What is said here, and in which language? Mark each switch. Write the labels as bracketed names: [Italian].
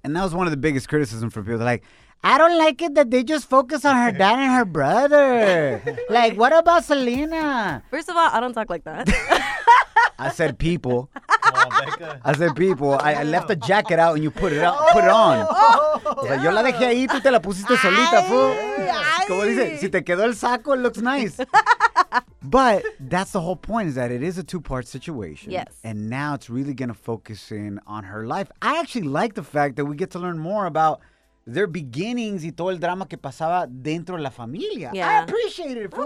[English] and that was one of the biggest criticisms from people. They're like, I don't like it that they just focus on her dad and her brother. Like, what about Selena? First of all, I don't talk like that. I said people. Oh, I said people. I left the jacket out and you put it out, put it on. Oh, yeah. [Spanish] Yo la dejé ahí, tú te la pusiste solita, [English] fool. [Spanish] Como dice, si te quedó el saco, [English] it looks nice. But that's the whole point, is that it is a two-part situation. Yes. And now it's really going to focus in on her life. I actually like the fact that we get to learn more about their beginnings [Spanish] y todo el drama que pasaba dentro de la familia. [English] Yeah. I appreciate it, fool.